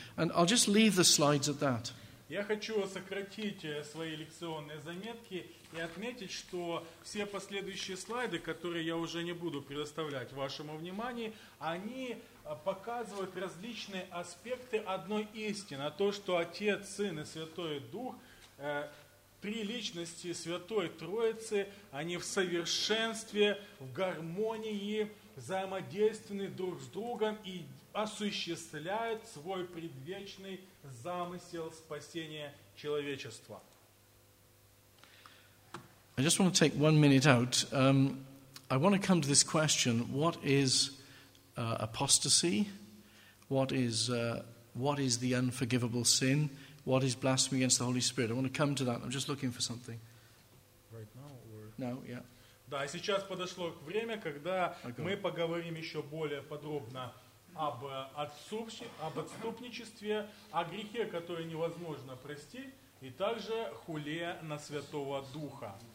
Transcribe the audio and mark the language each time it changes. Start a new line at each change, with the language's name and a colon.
English: And I'll just leave the slides at that.
Russian: Я хочу сократить свои лекционные заметки и отметить, что все последующие слайды, которые я уже не буду предоставлять вашему вниманию, они показывают различные аспекты одной истины, то, что Отец, Сын и Святой Дух, три личности Святой Троицы, они в совершенстве, в гармонии, взаимодействованы друг с другом и осуществляют свой предвечный замысел спасения человечества.
English: I just want to take 1 minute out. I want to come to this question: what is apostasy? What is the unforgivable sin? What is blasphemy against the Holy Spirit? I want to come to that. I'm just looking for something. Right now, or now, yeah.
Russian: Да, сейчас подошло время, когда мы поговорим еще более подробно об отступничестве, о грехе, который невозможно прости, и также хуле на Святого Духа.